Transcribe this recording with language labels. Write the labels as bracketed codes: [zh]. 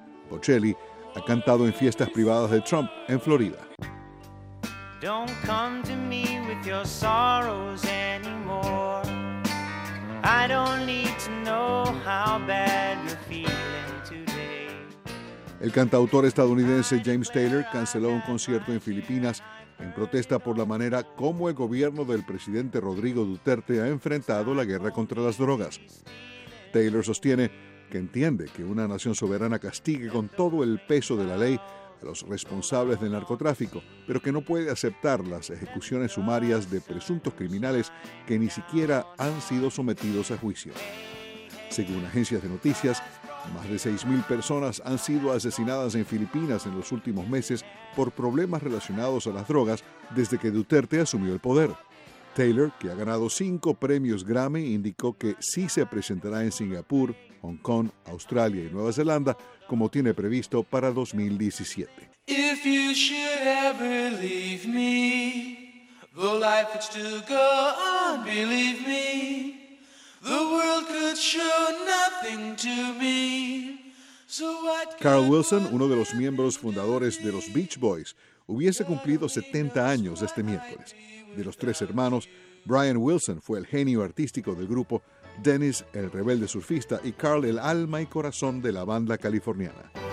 [es] Bocelli ha cantado en fiestas privadas de Trump en Florida. [en] Don't come to me with your sorrows anymore. I don't need to know how bad you're feeling today. [es] El cantautor estadounidense James Taylor canceló un concierto en Filipinas en protesta por la manera como el gobierno del presidente Rodrigo Duterte ha enfrentado la guerra contra las drogas. Taylor sostiene que entiende que una nación soberana castigue con todo el peso de la ley a los responsables del narcotráfico, pero que no puede aceptar las ejecuciones sumarias de presuntos criminales que ni siquiera han sido sometidos a juicio. Según agencias de noticias, más de 6.000 personas han sido asesinadas en Filipinas en los últimos meses por problemas relacionados a las drogas desde que Duterte asumió el poder. Taylor, que ha ganado 5 premios Grammy, indicó que sí se presentará en Singapur, Hong Kong, Australia y Nueva Zelanda, como tiene previsto para 2017. [en] If you should ever leave me, though life could still go on, believe me, the world could show nothing to me. [es] So what Carl Wilson, uno de los miembros fundadores de los Beach Boys, hubiese cumplido 70 años este miércoles. De los tres hermanos, Brian Wilson fue el genio artístico del grupo, Dennis, el rebelde surfista, y Carl, el alma y corazón de la banda californiana.